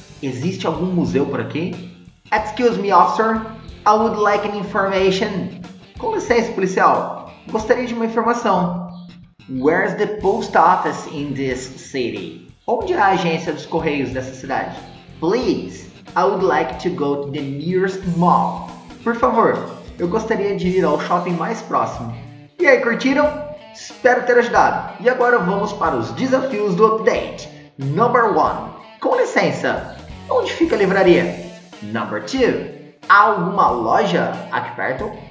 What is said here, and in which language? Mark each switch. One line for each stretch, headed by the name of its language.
Portuguese: Existe algum museu por aqui?
English: Excuse me, officer. I would like an information.
Portuguese: Com licença, policial. Gostaria de uma informação.
English: Where's the post office in this city?
Portuguese: Onde é a agência dos correios dessa cidade?
English: Please. I would like to go to the nearest mall.
Portuguese: Por favor, eu gostaria de ir ao shopping mais próximo. E aí, curtiram? Espero ter ajudado. E agora vamos para os desafios do update. Number 1. Com licença, onde fica a livraria? Number 2. Há alguma loja aqui perto?